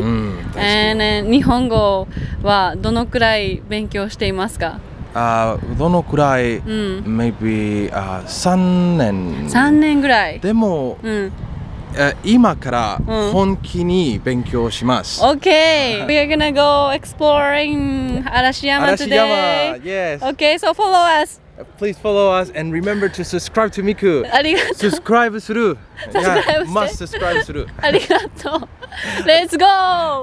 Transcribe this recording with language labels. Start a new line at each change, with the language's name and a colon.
Japanese: うん、大好き。日本語はどのくらい勉強していますか？どのくらい、うん、
English: maybe
Japanese: 3年。 3年ぐらい。でも、うん、今から本気に勉強します。うん、OK!
English: We are gonna go exploring 嵐山 today! 嵐山、yes! OK, so follow us! Please follow us and remember to subscribe to Miku!
Japanese: ありがとう
English: Subscribe through! Subscribe through! Yeah, must subscribe through!
Japanese: ありがとう
English: Let's go!